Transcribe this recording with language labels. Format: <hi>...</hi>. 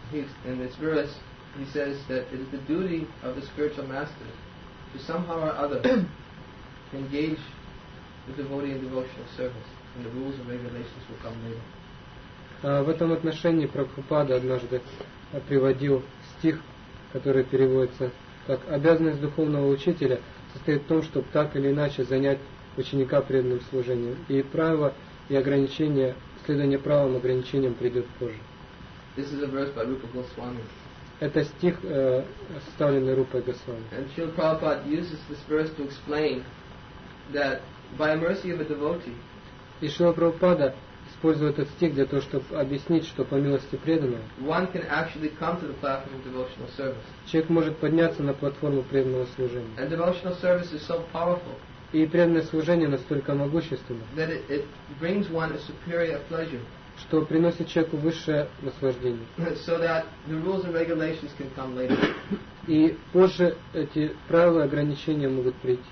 <en>In this verse, he says that it is the duty of the spiritual master to somehow or other engage the devotee in devotional service, and the rules and regulations will come later.</en> <ru>В этом отношении Прабхупада однажды приводил стих, который переводится как «Обязанность духовного учителя состоит в том, чтобы так или иначе занять ученика преданным служением». И правило и ограничение, следование правилам и ограничениям придет позже.</ru> <en>This is a verse by Rupa Goswami.</en> <ru>Это стих, составленный Рупой Госвами.</ru> <en>And Srila Prabhupada uses this verse to explain that by mercy of a devotee.</en> <ru>И Шрила Прабхупада использует этот стих для того, чтобы объяснить, что по милости преданного</ru> <en>one can actually come to the platform of devotional service.</en> <ru>Человек может подняться на платформу преданного служения.</ru> <en>And devotional service is so powerful.</en> <ru>И преданное служение настолько могущественно,</ru> <en>that it brings one a superior pleasure.</en> <ru>Что приносит человеку высшее наслаждение.</ru> <en>So that the rules and regulations can come later.</en> <ru>И позже эти правила и ограничения могут прийти.</ru>